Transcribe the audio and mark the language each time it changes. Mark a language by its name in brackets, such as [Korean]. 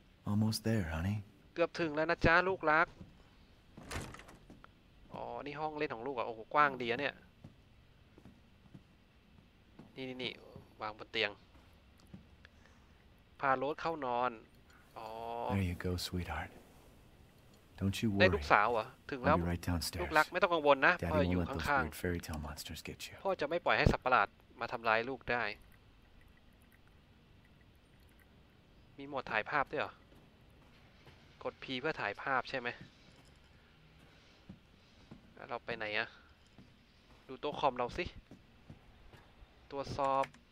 [English] Almost there, honey. [Thai] เกือบถึงแล้วนะจ๊ะลูกรักอ๋อนี่ห้องเล่นของลูกอ่ะโอ้โหกว้างดีอ่ะเนี่ยนี่วางบนเตียงพาโรสเข้านอนอ๋อ [English] There you go sweetheart Don't you worry [Thai] ได้ลูกสาวอ่ะถึงแล้ว [English] right [Thai] ลูกรักไม่ต้องกังวล นะพ่ออยู่ข้างๆ [English] Fairy tale monsters get you [Thai] พ่อจะไม่ปล่อยให้สัตว์ประหลาดมาทำร้ายลูกได้มีโหมดถ่ายภาพด้วยเหรอกด P เพื่อถ่ายภาพใช่มั้ยแล้วเราไปไหนอ่ะดูโต๊ะคอมเราสิตรวจสอบ